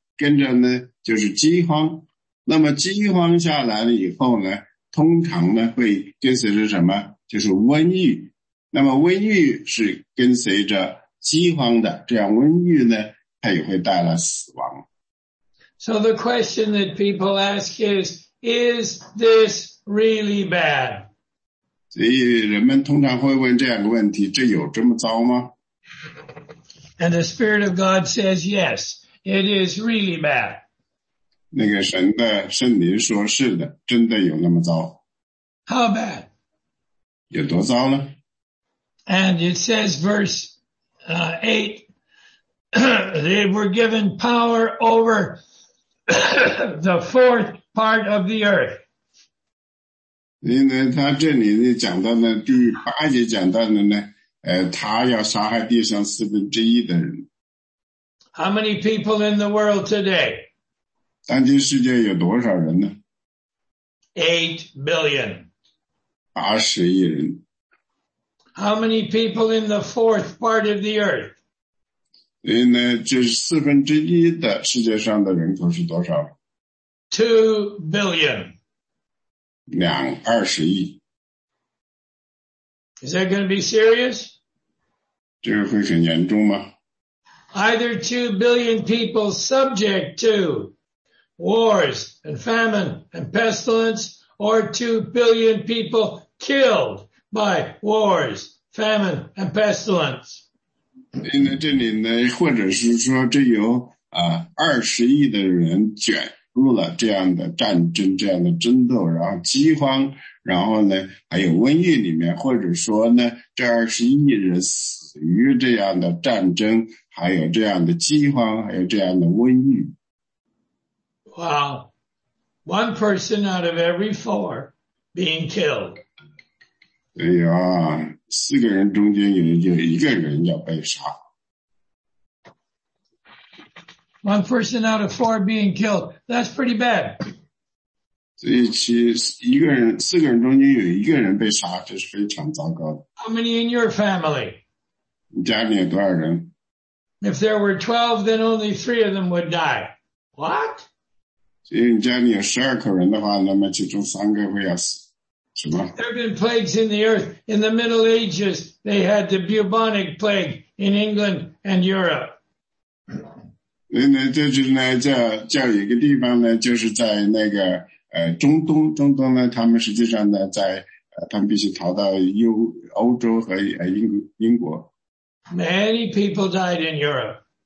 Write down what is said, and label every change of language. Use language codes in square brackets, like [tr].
[zh] 跟着呢就是饥荒，那么饥荒下来了以后呢，通常呢会跟随着什么？就是瘟疫。那么瘟疫是跟随着饥荒的，这样瘟疫呢，它也会带来死亡。 [en] So the question that people ask is this really bad? [zh] 所以人们通常会问这样的问题，这有这么糟吗？ [en] And the Spirit of God says yes, it is really bad. [zh] 那个神的圣灵说是的，真的有那么糟。 [en] How bad? [zh] 有多糟呢？ [en] And it says verse 8, they were given power over the fourth part of the earth. [zh] 因为他这里呢讲到呢，第八节讲到的呢，他要杀害地上四分之一的人。 [en] How many people in the world today? [zh] 当今世界有多少人呢？ [en] 8 million. [zh] 80亿人。 [en] How many people in the fourth part of the earth? [zh] 因为呢，就是四分之一的世界上的人口是多少？ [en] 2 billion. [zh] 220亿。 [en] Is that going to be serious? [zh] 这个会很严重吗？ [en] Either 2 billion people subject to wars and famine and pestilence, or 2 billion people killed by wars, famine and pestilence. [zh] 因为这里呢，或者是说这有20亿的人卷入了这样的战争，这样的争斗，然后饥荒，然后呢还有瘟疫里面，或者说呢这20亿人死于这样的战争，还有这样的饥荒，还有这样的瘟疫。 [en] Wow, one person out of every four being killed. [zh] 对呀，四个人中间有一个人要被杀。 [en] One person out of four being killed. That's pretty bad. [zh] 所以其一个人，四个人中间有一个人被杀，这是非常糟糕的。 [en] How many in your family? [zh] 你家里有多少人？ [en] If there were 12, then only 3 of them would die. What? [zh] 所以你家里有12口人的话，那么其中三个会要死。什么？ [en] There have been plagues in the earth. In the Middle Ages, they had the bubonic plague in England and Europe. [zh] 所以呢，就是呢，叫一个地方呢，就是在那个中东呢，他们实际上呢，在他们必须逃到欧洲和英国。 [en] Many people died in Europe.